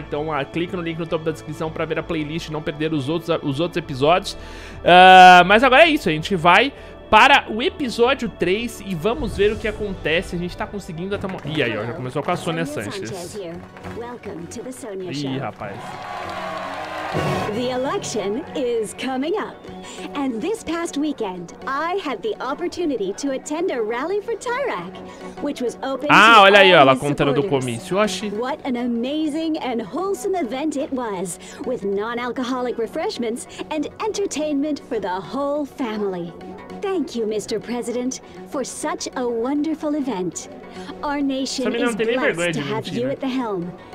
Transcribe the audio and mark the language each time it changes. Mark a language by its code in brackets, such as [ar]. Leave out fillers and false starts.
[pt] Então clica no link no topo da descrição pra ver a playlist e não perder os outros episódios. Mas agora é isso, a gente vai para o episódio 3 e vamos ver o que acontece. A gente tá conseguindo até... Ih, aí, ó, já começou com a Sonia Sanchez. Ih, rapaz. [en] The election is coming up. And this past weekend, I had the opportunity to attend a rally for Tyrak, which was open. [pt] Ah, olha aí, ela contando do comício. [en] What an amazing and wholesome event it was, with non-alcoholic refreshments and entertainment for the whole family. Thank you, Mr. President, for such a wonderful event. Our nation is blessed to have you at the helm.